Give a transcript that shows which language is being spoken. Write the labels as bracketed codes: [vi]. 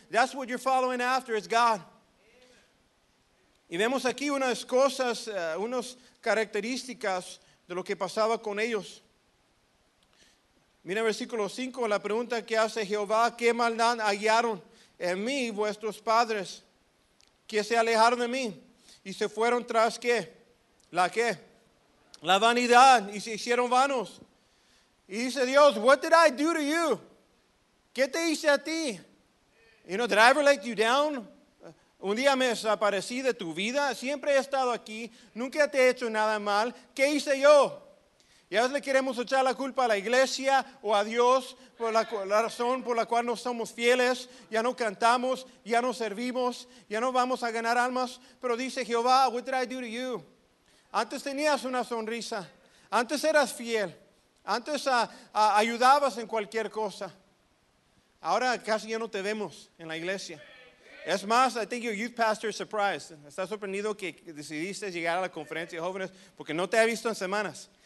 [en] That's what you're following after is God. [es] Y vemos aquí unas cosas, unas características de lo que pasaba con ellos. Mira el versículo 5, la pregunta que hace Jehová, ¿qué maldad hallaron en mí vuestros padres? ¿Que se alejaron de mí y se fueron tras qué? ¿La qué? La vanidad, y se hicieron vanos. Y dice Dios, [en] what did I do to you? [es] ¿Qué te hice a ti? [en] You know, did I ever let you down? [es] Un día me desaparecí de tu vida, siempre he estado aquí, nunca te he hecho nada mal. ¿Qué hice yo? Y a veces le queremos echar la culpa a la iglesia o a Dios por la razón por la cual no somos fieles, ya no cantamos, ya no servimos, ya no vamos a ganar almas. Pero dice Jehová, [en] what did I do to you? [es] Antes tenías una sonrisa, antes eras fiel, antes ayudabas en cualquier cosa. Ahora casi ya no te vemos en la iglesia. Es más, [en] I think your youth pastor is surprised. [es] Está sorprendido que decidiste llegar a la conferencia de jóvenes porque no te ha visto en semanas.